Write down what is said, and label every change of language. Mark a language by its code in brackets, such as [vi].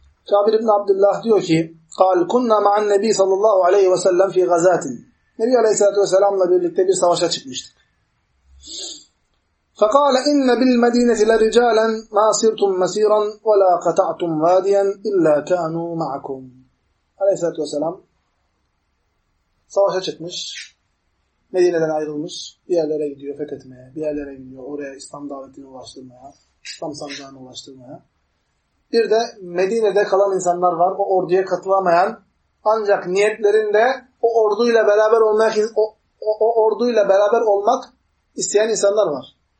[ar] Cabir İbni Abdillah [tr] diyor ki, [ar] قال كنا مع النبي صلى الله عليه وسلم في غزاة. [tr] Nebi Aleyhisselatü Vesselam'la birlikte bir savaşa çıkmıştık. [ar] فقال إن بالمدينة لرجالا ما سرتم مسيرا ولا قطعتم واديا إلا كانوا معكم. [tr] Aleyhisselatü Vesselam savaşa çıkmış. Medine'den ayrılmış, bir yerlere gidiyor fethetmeye, bir yerlere gidiyor oraya İslam davetini ulaştırmaya, İslam sancağını ulaştırmaya. Bir de Medine'de kalan insanlar var, o orduya katılamayan, ancak niyetlerinde o orduyla beraber olmak, orduyla beraber olmak isteyen insanlar var.